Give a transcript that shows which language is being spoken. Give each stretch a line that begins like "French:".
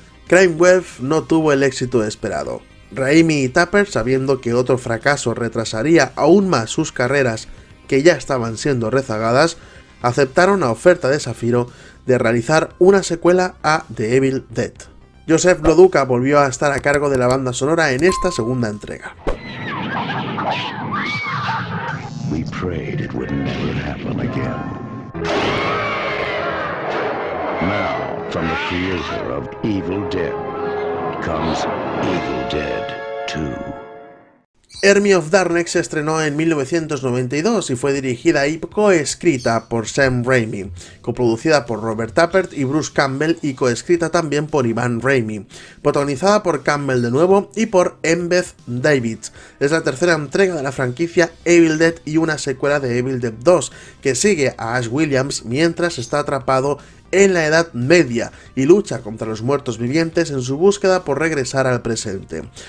Spanish: Crime Wave no tuvo el éxito esperado. Raimi y Tapper, sabiendo que otro fracaso retrasaría aún más sus carreras, que ya estaban siendo rezagadas, aceptaron la oferta de Shapiro de realizar una secuela a The Evil Dead. Joseph Loduca volvió a estar a cargo de la banda sonora en esta segunda entrega.
English: We prayed it would never happen again. Now, from the creator of Evil Dead, comes Evil Dead 2.
Spanish: Army of Darkness se estrenó en 1992 y fue dirigida y coescrita por Sam Raimi, coproducida por Robert Tappert y Bruce Campbell y coescrita también por Ivan Raimi, protagonizada por Campbell de nuevo y por M. Beth Davids. Es la tercera entrega de la franquicia Evil Dead y una secuela de Evil Dead 2, que sigue a Ash Williams mientras está atrapado en la Edad Media y lucha contra los muertos vivientes en su búsqueda por regresar al presente.